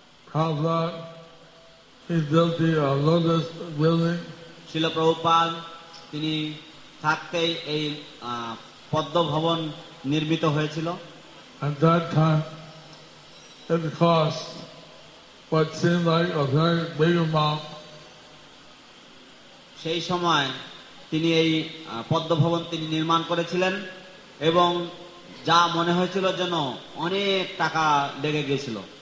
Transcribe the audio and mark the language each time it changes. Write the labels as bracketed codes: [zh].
[en] Prabhupada, he built the lotus building. [bn] Srila Prabhupada, তিনি থাকতেই এই পদ্ম ভবন নির্মিত হয়েছিল. [en] At that time, it cost what seemed like a very big amount. [bn] সেই সময় তিনি এই পদ্ম ভবন তিনি নির্মাণ করেছিলেন এবং যা মনে হয়েছিল যেন অনেক টাকা লেগে গিয়েছিল.